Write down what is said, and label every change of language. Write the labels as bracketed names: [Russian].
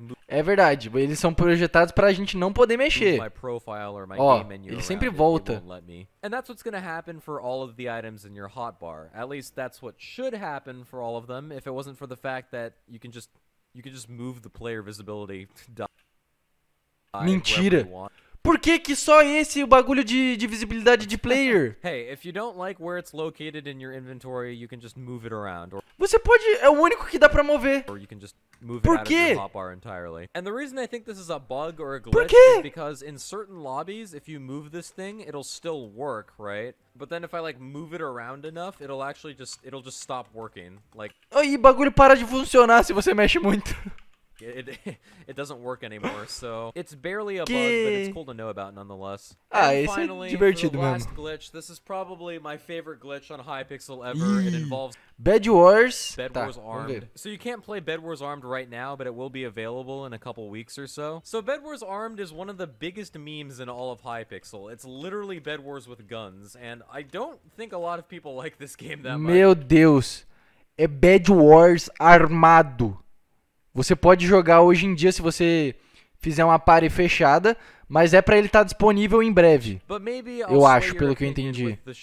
[Portuguese] É verdade, eles são projetados pra gente não poder mexer. Ó, ele sempre volta. E é isso que vai acontecer. [English] For all of the items in your hotbar. At least that's what should happen for all of them if it wasn't for the fact that you can just move the player visibility to die. [Portuguese] Mentira. Por que que só esse o bagulho de visibilidade de player? [English] Hey, if you don't like where it's located in your inventory, you can just move it around. [Portuguese] Você pode, é o único que dá pra mover. [English] Or you can just move it out of your hotbar entirely. And the reason I think this is a bug or a glitch is because in certain lobbies, if you move this thing, it'll still work, right? But then if I like move it around enough, it'll just stop working. Like, [Portuguese] oh, e bagulho para de funcionar se você mexe muito. [English] It doesn't work anymore, so it's barely a bug, but it's cool to know about nonetheless. [Portuguese] Ah, esse é divertido mesmo. [English] Glitch, this is probably my favorite glitch on Hypixel ever. It involves Bed Wars Armed. So you can't play Bed Wars Armed right now, but it will be available in a couple weeks or so. So Bed Wars Armed is one of the biggest memes in all of Hypixel. It's literally Bed Wars with guns, and I don't think a lot of people like this game that much. [Portuguese] Meu Deus, é Bed Wars armado. Você pode jogar hoje em dia se você fizer uma party fechada, mas é pra ele estar disponível em breve. Eu acho, pelo que eu entendi.